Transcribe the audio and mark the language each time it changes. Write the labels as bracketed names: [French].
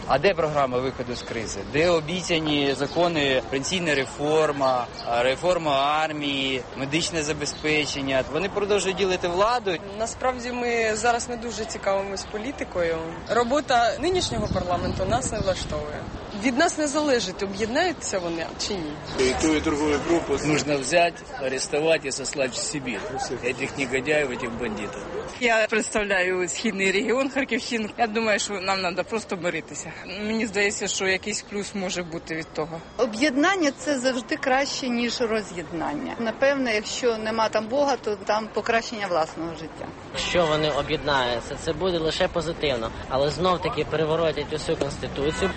[Ukrainian] А де програма виходу з кризи? Де обіцяні закони, пенсійна реформа, реформа армії, медичне забезпечення? Вони продовжують ділити владу. Насправді ми зараз не дуже цікавимось політикою. Робота нинішнього парламенту нас не влаштовує. Від нас не залежить, об'єднаються вони чи ні. І ту, і другу групу нужно взяти, арестувати і сослати в Сибір. [Russian] Этих негодяев, этих бандитов. [Ukrainian] Я представляю східний регіон Харківщини. Я думаю, що нам треба просто миритися. Мені здається, що якийсь плюс може бути від того. Об'єднання – це завжди краще, ніж роз'єднання. Напевно, якщо нема там Бога, то там покращення власного життя. Якщо вони об'єднаються, це буде лише позитивно. Але знов-таки переворотять усю конституцію.